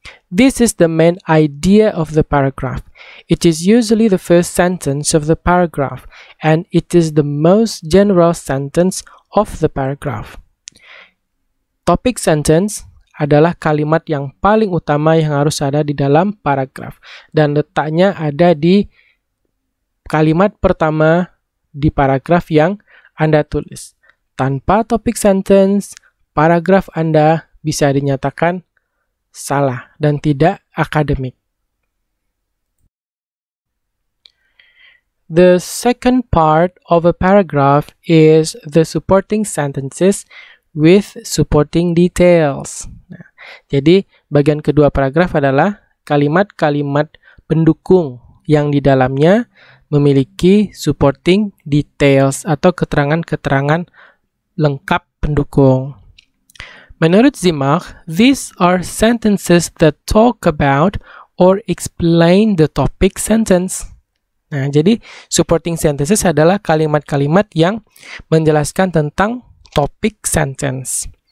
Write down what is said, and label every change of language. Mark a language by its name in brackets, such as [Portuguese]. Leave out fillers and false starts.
[English] This is the main idea of the paragraph. It is usually the first sentence of the paragraph, and it is the most general sentence of the paragraph. [Indonesian] Topic sentence adalah kalimat yang paling utama yang harus ada di dalam paragraf, dan letaknya ada di kalimat pertama di paragraf yang Anda tulis. Tanpa topic sentence, paragraf Anda bisa dinyatakan salah dan tidak akademik. [English] The second part of a paragraph is the supporting sentences with supporting details. [Indonesian] Nah, jadi, bagian kedua paragraf adalah kalimat-kalimat pendukung yang di dalamnya memiliki supporting details atau keterangan-keterangan lengkap pendukung. [English] Menurut Zemach, these are sentences that talk about or explain the topic sentence. [Indonesian] Nah, jadi supporting sentences adalah kalimat-kalimat yang menjelaskan tentang topic sentence.